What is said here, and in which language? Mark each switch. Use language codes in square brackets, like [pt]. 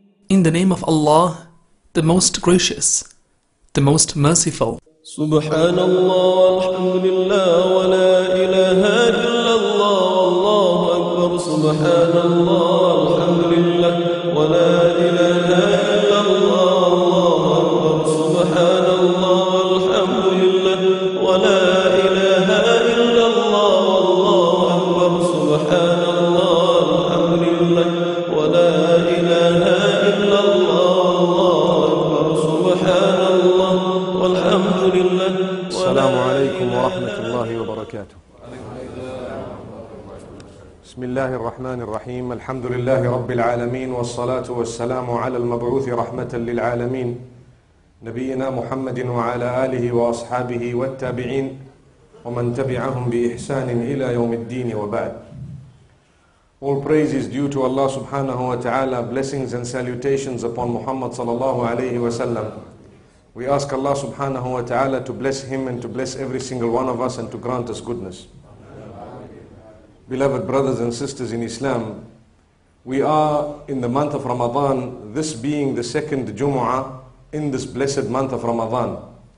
[en] In the name of Allah, the most gracious, the most merciful. [ar] سبحان الله والحمد لله ولا إله إلا الله والله أكبر سبحان الله والحمد لله ولا إله إلا الله والله أكبر سبحان الله والحمد لله ولا إله إلا الله والله أكبر سبحان الله والحمد لله ولا إله إلا الله والله أكبر سبحان الله والحمد لله. السلام عليكم ورحمة الله وبركاته. بسم الله الرحمن الرحيم. الحمد لله رب العالمين، والصلاة والسلام على المبعوث رحمة للعالمين نبينا محمد وعلى آله وأصحابه والتابعين ومن تبعهم بإحسان إلى يوم الدين وبعد. [en] All praise is due to Allah [ar] subhanahu wa ta'ala. [en] Blessings and salutations upon Muhammad [ar] sallallahu alayhi wa sallam. [en] We ask Allah [ar] subhanahu wa ta'ala [en] to bless him and to bless every single one of us and to grant us goodness. Beloved brothers and sisters in Islam, we are in the month of Ramadan, this being the second Jumu'ah in this blessed month of Ramadan.